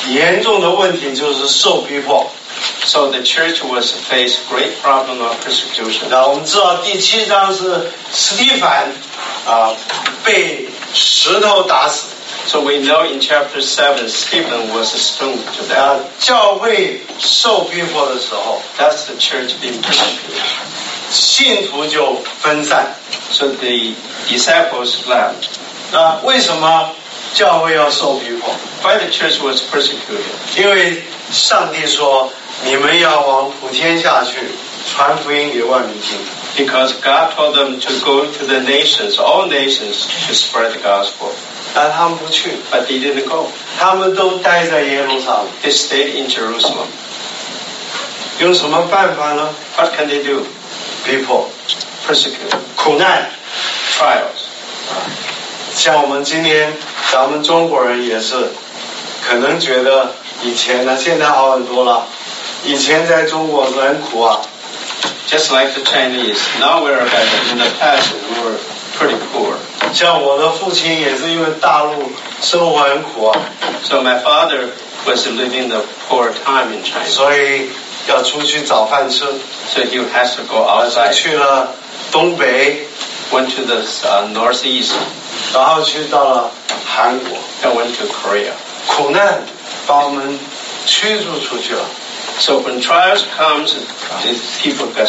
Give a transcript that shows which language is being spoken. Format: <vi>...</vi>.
<zh>教会就面对着一个严重的问题就是受逼迫。</zh> <en>So the church was faced great problem of persecution.</en> <zh>我们知道第7章是斯蒂凡被石头打死。</zh> <en>So we know in chapter 7, Stephen was stoned to death.</en> <zh>教会受逼迫的时候,</zh> <en>that's the church being persecuted.</en> <zh>信徒就分散,</zh> <en>so the disciples left.</en> <zh>为什么教会要受逼迫?</zh> <en>Why the church was persecuted?</en> <zh>因为上帝说, 你们要往普天下去传福音给万民听。</zh> <en>Because God told them to go to the nations, all nations, to spread the gospel.</en> <zh>但他们不去,</zh> <en>but they didn't go.</en> <zh>他们都待在耶路撒冷,</zh> <en>they stayed in Jerusalem.</en> <zh>用什么办法呢?</zh> <en>What can they do? People. Persecute.</en> <zh>苦难.</zh> <en>Trials.</en> <zh>像我们今天, 咱们中国人也是, 可能觉得以前呢, 现在好很多了, 以前在中国人苦啊。</zh> <en>Just like the Chinese, now we are better. In the past, we were pretty poor.</en> <zh>像我的父亲也是因为大陆生活很苦啊。</zh> <en>So my father was living the poor time in China.</en> <zh>所以要出去找饭吃。</zh> <en>So he has to go outside.</en> <zh>去了东北,</zh> <en>went to the northeast.</en> <zh>然后去到了韩国,</zh> <en>and went to Korea.</en> <zh>苦难把我们驱逐出去了。</zh> <en>So when trials come, these people get</en>